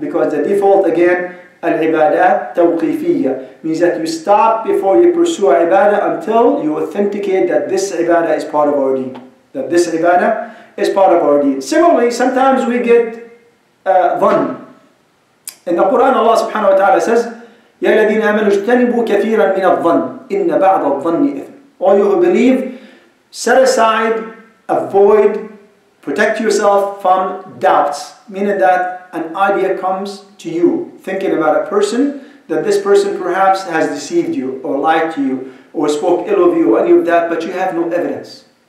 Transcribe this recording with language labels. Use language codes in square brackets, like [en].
[en] Because the default again, al-ibadat tawqifiyya, means that you stop before you pursue ibadah until you authenticate that this ibadah is part of our deen. That this ibadah is part of our deen. Similarly, sometimes we get dhan. In the Quran, Allah subhanahu wa ta'ala says, [ar] يَا الَّذِينَ آمَنُوا اجْتَنِبُوا كَثِيرًا مِنَ الظَّنِّ إِنَّ بَعْضَ الظَّنِّ إِثْمٍ. [en] All you who believe, set aside, avoid, protect yourself from doubts. Meaning that an idea comes to you, thinking about a person, that this person perhaps has deceived you, or lied to you, or spoke ill of you, or any of that, but you have no evidence.